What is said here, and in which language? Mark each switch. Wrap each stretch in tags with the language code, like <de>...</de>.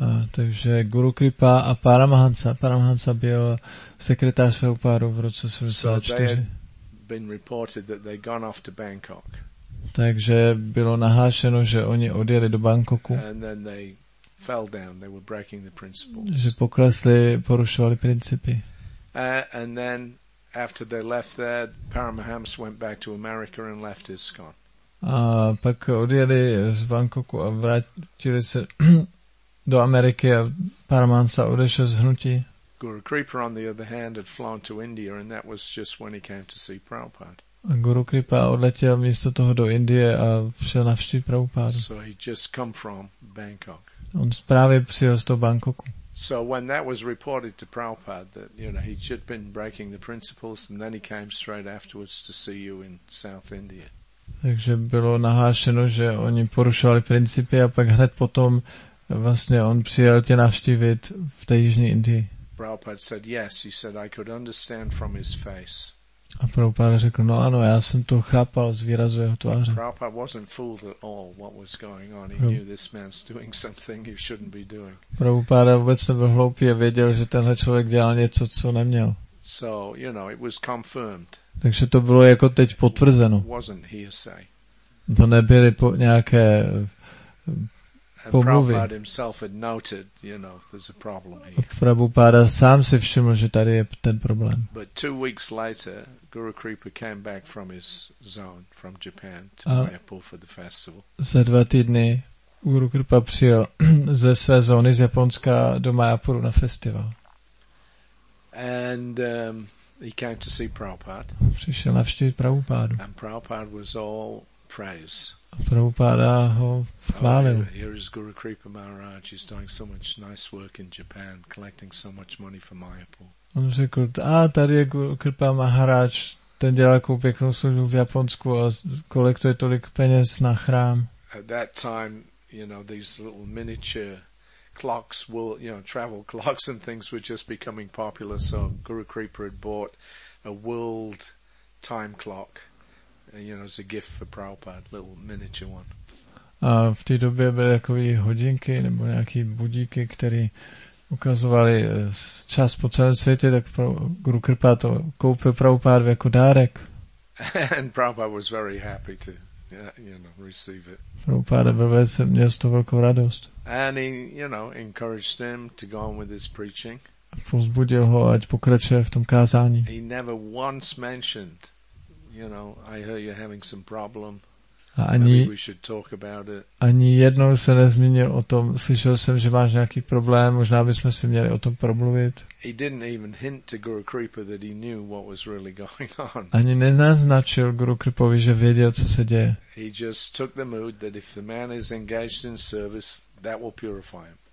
<cs>Takže Guru Kripa a Paramahamsa byl sekretář Prabhupada v roce 74.</cs> <en>So they had been reported that they'd gone off to Bangkok.</en> <cs>Takže bylo nahlášeno, že oni odjeli do Bangkoku.</cs> <en>And then they fell down. They were breaking the principles.</en> <cs>Že poklesli, porušovali principy.</cs> <en>And then after they left there, Paramahams went back to America and left ISKCON.</en> <cs>A pak odjeli z Bangkoku a vrátili se do Ameriky a Paramahamsa odešel z hnutí.</cs> <en>Guru Kripa, on the other hand, had flown to India and that was just when he came to see Prabhupada.</en> <cs>A Guru Kripa odletěl místo toho do Indie a šel navštívit Prabhupada.</cs> <en>So he just come from Bangkok.</en> <cs>On právě přijel z toho Bangkoku.</cs> <en>So when that was reported to Prabhupada that, you know, he should been breaking the principles and then he came straight afterwards to see you in South India.</en> <cs>Takže bylo nahlášeno, že oni porušovali principy a pak hned potom vlastně on přijel tě navštívit v té jižní Indii.</cs> <en>Prabhupada said yes, he said I could understand from his face.</en> <cs>A Prabhupada řekl, no ano, já jsem to chápal z výrazu jeho tváře.</cs> <en>Prabhupada wasn't fooled at all what was going on. He knew this man's doing something he shouldn't be doing.</en> <cs>Prabhupada vůbec nebyl hloupý a věděl, že tenhle člověk dělal něco, co neměl.</cs> <en>So, you know, it was confirmed.</en> <cs>Takže to bylo jako teď potvrzeno.</cs> <en>It wasn't hearsay.</en> <cs>To nebyly nějaké pomluvy.</cs> <en>Prabhupada himself had noted, you know, there's a problem here.</en> <cs>Prabhupada sám si všiml, že tady je ten problém.</cs> <en>But 2 weeks later, Guru Kripa came back from his zone, from Japan, to Mayapur for the festival.</en> <cs>Za 2 týdny Guru Kripa přijel ze své zóny z Japonska do Mayapuru na festival.</cs> <en>And he came to see Prabhupada.</en> <cs>Přišel navštívit Prabhupádu.</cs> <en>And Prabhupada was all praise.</en> <cs>A Prabhupada ho chválil.</cs> <en>Oh, here is Guru Kripa Maharaj. He's doing so much nice work in Japan, collecting so much money for Mayapur.</en> <cs>On řekl, a tady je Guru Kripa Maharaj, ten dělá takovou pěknou službu v Japonsku a kolektuje tolik peněz na chrám.</cs> <en>At that time, you know, these little miniature clocks, will, you know, travel clocks and things were just becoming popular. So Guru Kripa had bought a world time clock, you know, as a gift for Prabhupada, little miniature one.</en> <cs>A v té době byly takové hodinky nebo nějaké budíky, které ukazovaly čas po celém světě, tak Guru Kripa to koupil Prabhupada jako dárek.</cs> <en>And Prabhupada was very happy to, you know, receive it.</en> <cs>Prabhupada byl velice, měl z toho velkou radost.</cs> <en>And he, you know, encouraged him to go on with his preaching.</en> <cs>A povzbudil ho, ať pokračuje v tom kázání.</cs> <en>He never once mentioned, you know, I heard you're having some problem.</en> <cs>A ani,</cs> <en>we should talk about it.</en> <cs>Ani jednou se nezmínil o tom, slyšel jsem, že máš nějaký problém, možná bychom si měli o tom promluvit.</cs> <en>He didn't even hint to Guru Kripa that he knew what was really going on.</en> <cs>Ani nenaznačil Guru Kripovi, že věděl, co se děje.</cs> <en>He just took the mood that if the man is engaged in service, that will purify him.</en>